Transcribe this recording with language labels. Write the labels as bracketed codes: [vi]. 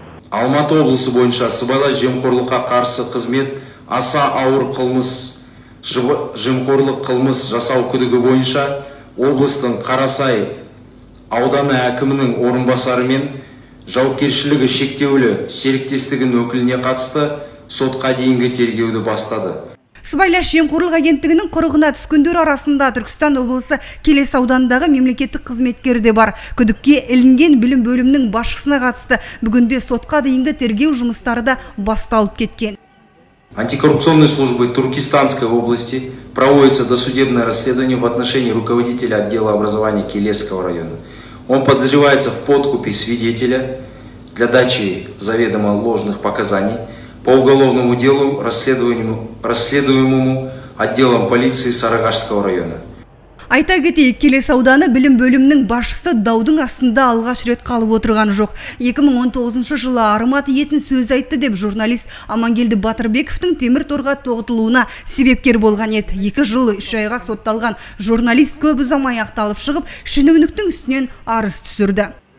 [kk] Алматы облысы бойынша сыбайлас жемқорлыққа қарсы қызмет аса ауыр қылмыс, жемқорлық қылмыс жасау күдігі бойынша облыстың Қарасай ауданы әкімінің орынбасары мен жауапкершілігі шектеулі серіктестігінің өкіліне қатысты сотқа дейінгі тергеуді бастады. Сыбайлас жемқорлық агенттігінің құрығына түскендер арасында Түркістан облысы Келес ауданындағы мемлекеттік қызметкер де бар. Күдікке ілінген білім бөлімінің басшысына қатысты бүгінде сотқа дейінгі тергеу жұмыстары да басталып кеткен. [ru] Антикоррупционной службой Туркестанской области проводится досудебное расследование в отношении руководителя отдела образования Келесского района. Он подозревается в подкупе свидетеля для дачи заведомо ложных показаний по уголовному делу, расследуемому отделом полиции Сарыағаштағы района. [kk] Айта кетейік, Келес ауданы білім бөлімінің басшысы даудың астында алғаш рет қалып отырған жоқ. 2019 жылы арымат етін сөз айтты деп журналист Амангелді Батырбековтің темір торға тоғытылуына себепкер болған еді. 2 жыл 3 айға сотталған журналист көп ұзамай ақталып шығып, шенеуніктің үстінен арыз түсірді.